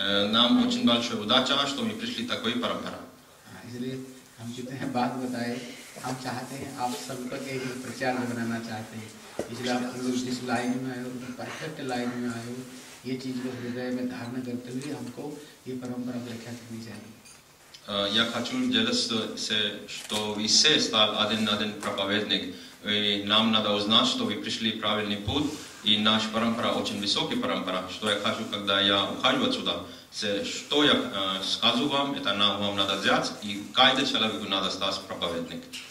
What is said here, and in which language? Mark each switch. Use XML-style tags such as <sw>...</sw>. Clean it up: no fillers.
<ru>Нам очень большая удача, что мы пришли такой парампара.</ru> <hi>हम जितने बात बताए हम चाहते हैं आप सबको एक प्रचार में बनाना चाहते हैं, इसलिए आप जिस लाइन में आए हो परफेक्ट लाइन में आए हो, ये चीज को हृदय में धारण करते हुए हमको ये परंपरा व्याख्या करनी चाहिए।</hi> <ru>Я хочу делиться, что вы все стали один на один проповедник. И нам надо узнать, что вы пришли правильный путь, и наша парампара очень высокий парампара. Что я хочу, когда я ухожу отсюда, что я скажу вам, это нам вам надо взять, и каждый человек надо стать проповедник.</ru>